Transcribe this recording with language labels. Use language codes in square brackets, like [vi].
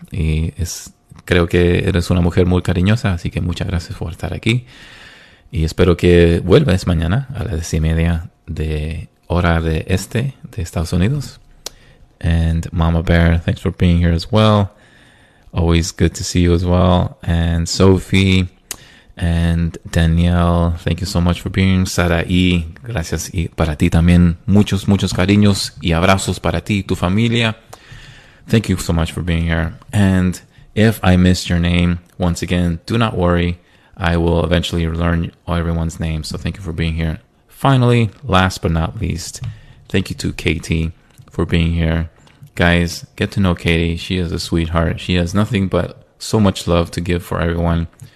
[es] Y creo que eres una mujer muy cariñosa, así que muchas gracias por estar aquí. Y espero que vuelvas mañana a las 10:30 de hora de este, de Estados Unidos. [en] And Mama Bear, thanks for being here as well. Always good to see you as well. And Sophie and Danielle, thank you so much for being. [es] Sarai, gracias y para ti también. Muchos, muchos cariños y abrazos para ti y tu familia. [en] Thank you so much for being here. And if I missed your name, once again, do not worry. I will eventually learn everyone's name. So thank you for being here. Finally, last but not least, thank you to Katie for being here. Guys, get to know Katie. She is a sweetheart. She has nothing but so much love to give for everyone.